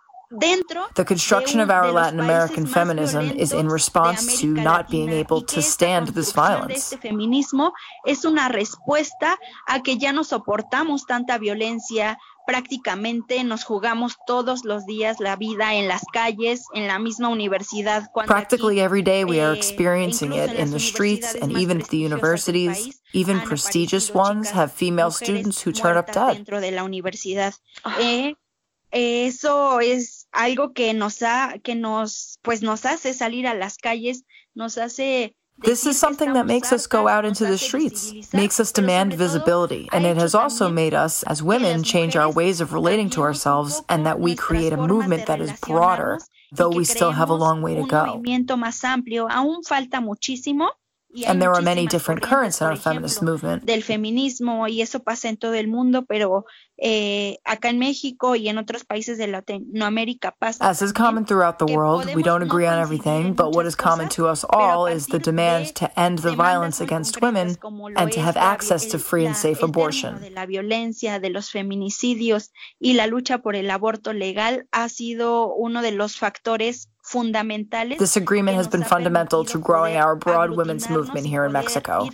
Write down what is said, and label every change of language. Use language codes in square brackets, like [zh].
[en] The construction of our Latin American feminism is in response to not being able to stand this violence. [es] Este feminismo es una respuesta a que ya no soportamos tanta violencia. Prácticamente nos jugamos todos los días la vida en las calles, en la misma universidad. [en] Practically every day we are experiencing it in the streets and even at the universities. Even prestigious ones have female students who turn up dead. [es] Dentro de la universidad. Eso es algo que nos hace salir a las calles, nos hace... [en] This is something that makes us go out into the streets, makes us demand visibility, and it has also made us, as women, change our ways of relating to ourselves and that we create a movement that is broader, though we still have a long way to go. And there are many different currents in our feminist movement. [es] Del feminismo, y eso pasa en todo el mundo, pero acá en México y en otros países de Latinoamérica pasa. [en] As is common throughout the world, we don't agree on everything, but what is common to us all is the demand to end the violence against women and to have access to free and safe abortion. [es] De la violencia, de los feminicidios y la lucha por el aborto legal ha sido uno de los factores. [en] This agreement has been fundamental to growing our broad women's movement here in Mexico.